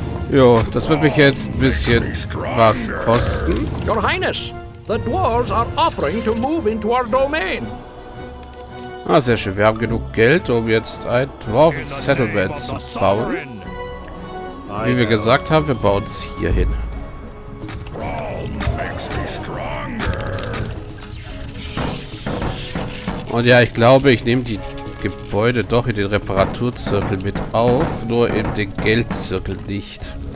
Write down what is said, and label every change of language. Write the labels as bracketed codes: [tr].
[de] Jo, das wird mich jetzt ein bisschen was kosten. [en] Your Highness, the dwarves are offering to move into our domain. [de] Ah, sehr schön. Wir haben genug Geld, um jetzt ein Dwarf Settlement zu bauen. Wie wir gesagt haben, wir bauen es hier hin. Und ja, ich glaube, ich nehme die Gebäude doch in den Reparaturzirkel mit auf, nur in den Geldzirkel nicht.